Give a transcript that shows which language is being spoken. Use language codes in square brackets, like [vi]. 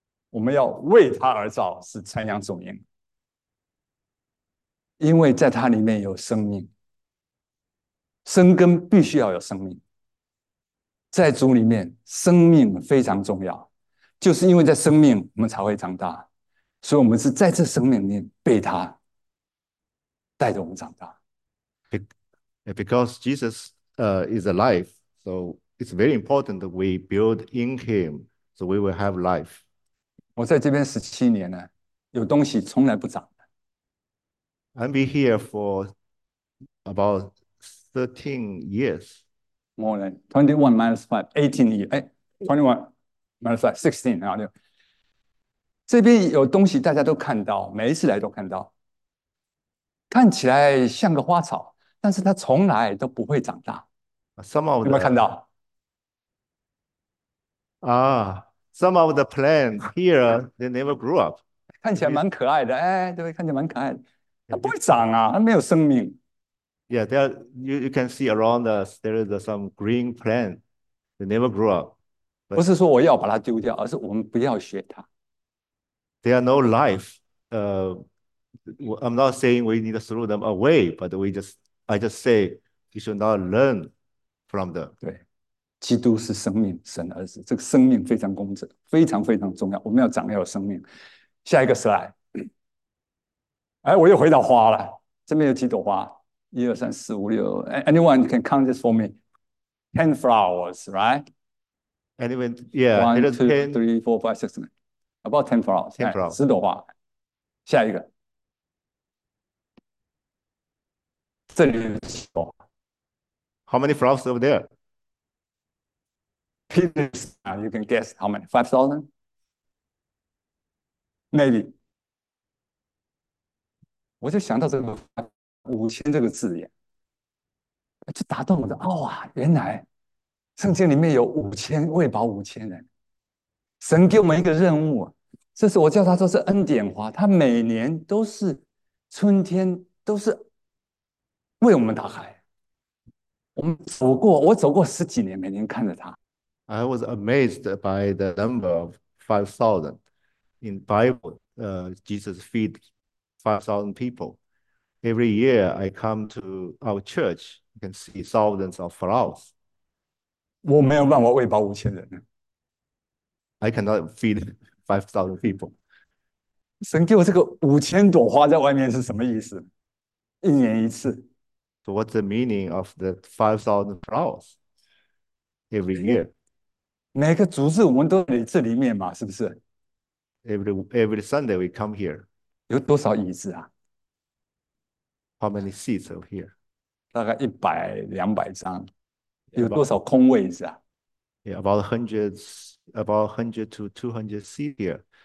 [zh] 我们要为他而造，是传扬颂赢，因为在他里面有生命，生根必须要有生命。在主里面，生命非常重要，就是因为在生命，我们才会长大。所以，我们是在这生命里面被他带着我们长大。 [en] Because Jesus is alive, so it's very important that we build in Him, so we will have life. [zh] 我在这边17年了，有东西从来不长的。 [en] I've been here for about 13 years. More than 21 minus 5, 18 years. 21 minus 5, 16. [zh] 然后就这边有东西，大家都看到，每一次来都看到，看起来像个花草，但是它从来都不会长大。 [en] Some of [zh] 有没有看到？ [en] the plants here, they never grew up. [zh] 看起来蛮可爱的，哎，对，看起来蛮可爱的。它不会 Yeah, 长啊，它没有生命。 [en] you can see around us, there is some green plant, they never grew up. [zh] 不是说我要把它丢掉，而是我们不要学它。 [en] There are no life. I'm not saying we need to throw them away, but I just say you should not learn from them. [zh] 基督是生命，神儿子，这个生命非常公正，非常非常重要。我们要长，要有生命。下一个 slide，哎，我又回到花了。这边有几朵花，一二三四五六。 [en] Anyone can count this for me? Ten flowers, right? Anyway, yeah, One, here is two, ten, three, four, five, six, seven. About ten flowers. 10 哎， flowers. [zh] 10朵花。下一个，这里有几朵。 [en] How many flowers over there? Peters, you can guess how many? 5,000? [zh] Maybe，我就想到这个5,000这个字眼，就打动我的。哦啊，原来圣经里面有5,000位保5,000人。神给我们一个任务，这是我叫它说是恩典花，它每年都是春天，都是为我们打开。我们走过，我走过十几年，每年看着它。 [en] I was amazed by the number of 5,000 in Bible. Jesus feed 5,000 people. Every year I come to our church, you can see thousands of flowers. [zh] 我没有办法喂饱5,000人。 [en] I cannot feed 5,000 people. [zh] 神给我这个5,000朵花在外面是什么意思？一年一次。 [en] So what's the meaning of the 5,000 flowers every year? [zh] 每个主日我们都得这里面嘛，是不是？ [en] Every Sunday we come here. [zh] 有多少椅子啊？ [en] How many seats are here? [zh] 大概100、200张。 Yeah, 有多少空位置啊？ [en] about 100 to 200 seats here.